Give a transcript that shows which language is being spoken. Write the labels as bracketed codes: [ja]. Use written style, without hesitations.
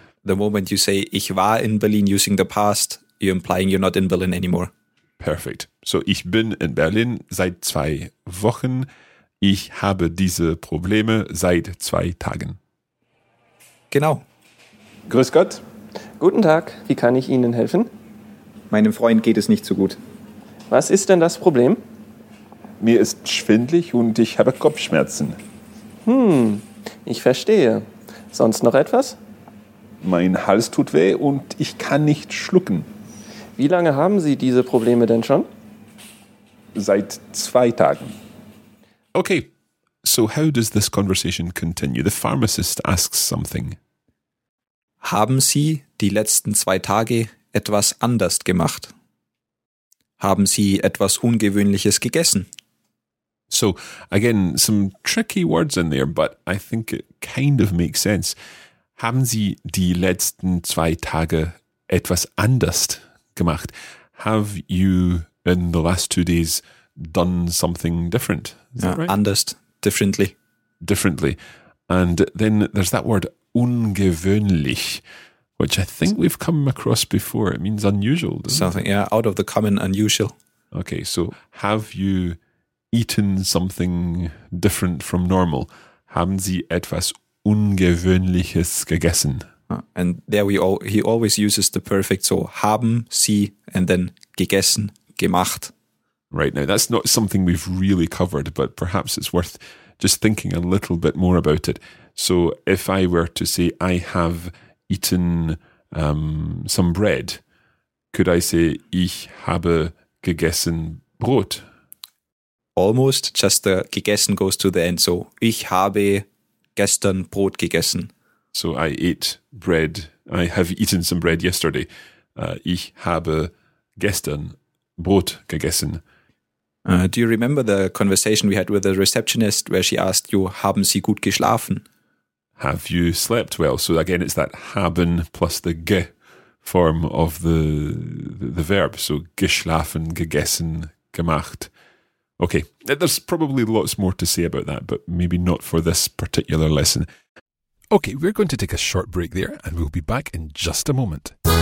[en] The moment you say [de] ich war in Berlin [en] using the past, you're implying you're not in Berlin anymore. Perfect. [de] So, ich bin in Berlin seit 2 Wochen. Ich habe diese Probleme seit 2 Tagen. Genau. Grüß Gott. Guten Tag. Wie kann ich Ihnen helfen? Meinem Freund geht es nicht so gut. Was ist denn das Problem? Mir ist schwindelig und ich habe Kopfschmerzen. Ich verstehe. Sonst noch etwas? Mein Hals tut weh und ich kann nicht schlucken. Wie lange haben Sie diese Probleme denn schon? Seit 2 Tagen. [en] Okay, so how does this conversation continue? The pharmacist asks something. [de] Haben Sie die letzten 2 Tage etwas anders gemacht? Haben Sie etwas Ungewöhnliches gegessen? [en] So, again, some tricky words in there, but I think it kind of makes sense. [de] Haben Sie die letzten zwei Tage etwas anders gemacht? [en] Have you, in the last 2 days, done something different? Is that right? Anders, differently. Differently. And then there's that word, ungewöhnlich, which I think we've come across before. It means unusual, doesn't something, it? Yeah, out of the common, unusual. Okay, so have you eaten something different from normal? [de] Haben Sie etwas Ungewöhnliches gegessen? [en] And there he always uses the perfect, so [de] haben Sie [en] and then gegessen, gemacht. Right, now that's not something we've really covered, but perhaps it's worth just thinking a little bit more about it. So if I were to say I have eaten some bread, could I say [de] ich habe gegessen Brot? [en] Almost, just the gegessen goes to the end. [de] So ich habe gestern Brot gegessen. [en] So I ate bread. I have eaten some bread yesterday. [de] Ich habe gestern Brot gegessen. [en] Do you remember the conversation we had with the receptionist where she asked you, [de] haben Sie gut geschlafen? [en] Have you slept well? So again, it's that haben plus the ge form of the verb. [de] So geschlafen, gegessen, gemacht. [en] Okay, there's probably lots more to say about that, but maybe not for this particular lesson. Okay, we're going to take a short break there, and we'll be back in just a moment.